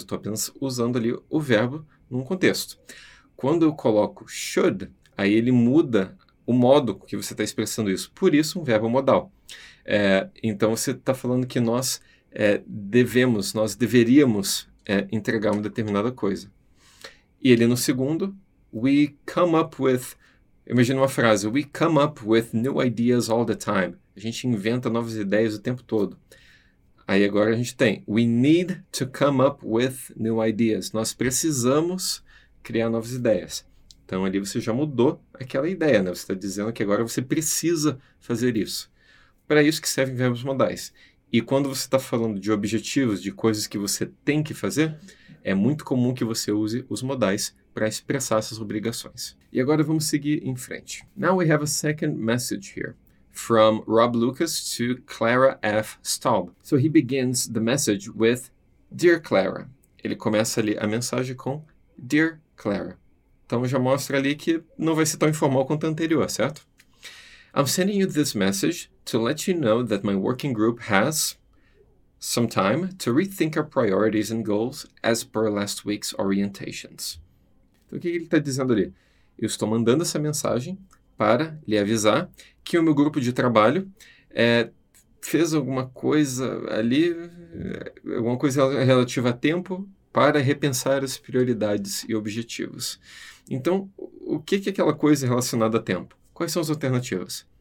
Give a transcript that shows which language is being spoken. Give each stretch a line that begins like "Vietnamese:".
Portuguese: Estou apenas usando ali o verbo num contexto. Quando eu coloco should, aí ele muda o modo que você está expressando isso. Por isso, um verbo modal. Então, você está falando que nós deveríamos entregar uma determinada coisa. E ele, no segundo,
English: we come up with...
Portuguese: Imagina uma frase.
English: We come up with new ideas all the time.
Portuguese: A gente inventa novas ideias o tempo todo. Aí, agora, a gente tem.
English: We need to come up with new ideas.
Portuguese: Nós precisamos criar novas ideias. Então, ali você já mudou aquela ideia, né? Você está dizendo que agora você precisa fazer isso. Para isso que servem verbos modais. E quando você está falando de objetivos, de coisas que você tem que fazer, é muito comum que você use os modais para expressar essas obrigações. E agora vamos seguir em frente.
English: Now we have a second message here from Rob Lucas to Clara F. Staub. So he begins the message with Dear Clara.
Portuguese: Ele começa ali a mensagem com Dear Clara. Então, já mostra ali que não vai ser tão informal quanto o anterior, certo?
English: I'm sending you this message to let you know that my working group has some time to rethink our priorities and goals as per last week's orientations.
Portuguese: Então, o que ele está dizendo ali? Eu estou mandando essa mensagem para lhe avisar que o meu grupo de trabalho fez alguma coisa ali, alguma coisa relativa a tempo, para repensar as prioridades e objetivos. Então, o que é aquela coisa relacionada a tempo? Quais são as alternativas?